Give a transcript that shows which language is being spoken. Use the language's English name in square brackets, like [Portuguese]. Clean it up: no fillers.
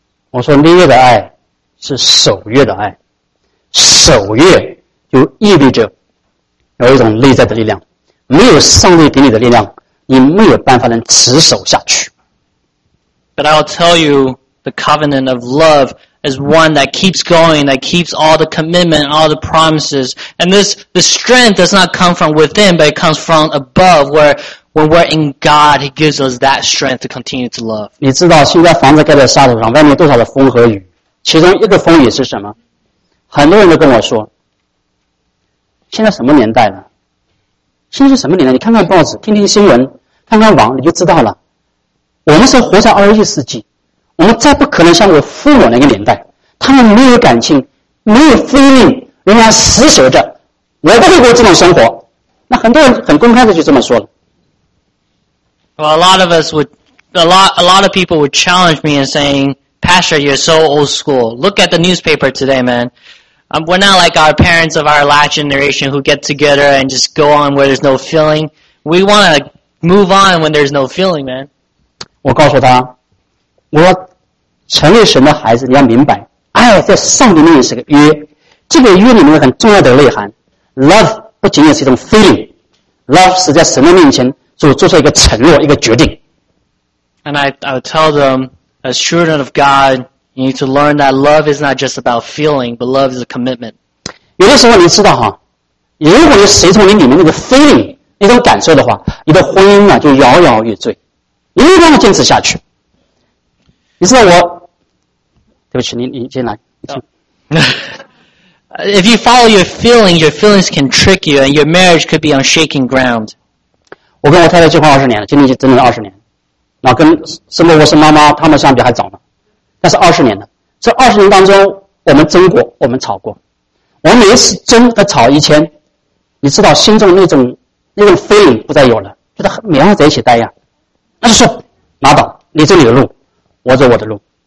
[Chinese] 我说立约的爱是守约的爱，守约就意味着有一种内在的力量，没有上帝给你的力量，你没有办法能持守下去。 [English] But I'll tell you, the covenant of love is one that keeps going, that keeps all the commitment, all the promises. And this, the strength does not come from within, but it comes from above, where when we're in God, He gives us that strength to continue to love. [Chinese] 你知道现在房子盖在沙土上，外面多少的风和雨，其中一个风雨是什么？很多人都跟我说，现在什么年代了？现在是什么年代？你看看报纸，听听新闻，看看网，你就知道了。我们是活在21世纪，我们再不可能像我父母那个年代，他们没有感情，没有婚姻，仍然死守着，我不会过这种生活。那很多人很公开的就这么说了。 [English] Well, a lot of people would challenge me and saying, Pastor, you're so old school. Look at the newspaper today, man. We're not like our parents of our last generation who get together and just go on where there's no feeling. We want to move on when there's no feeling, man. [Chinese] 我告诉他，我说成为神的孩子，你要明白，爱在上帝面前是个约。这个约里面很重要的内涵 ，love 不仅仅是一种 feeling，love 是在神的面前做出一个承诺，一个决定。 [English] And I tell them, as children of God, you need to learn that love is not just about feeling, but love is a commitment. [Chinese] 有的时候你知道哈，如果你随从你里面那个 feeling 那种感受的话，你的婚姻啊就摇摇欲坠，你没办法坚持下去。你知道我，对不起，你进来。 Oh. [English] If you follow your feelings, your feelings can trick you, and your marriage could be on shaking ground. [Chinese] 我跟我太太结婚二十年了，今年就整整二十年，然后跟生了我是妈妈，他们相比还早呢。但是二十年了，这二十年当中，我们争过，我们吵过，我们每一次争和吵一千，你知道心中那种 feeling 不再有了，觉得没办法在一起待呀，那就说拉倒，你走你的路。我走我的路。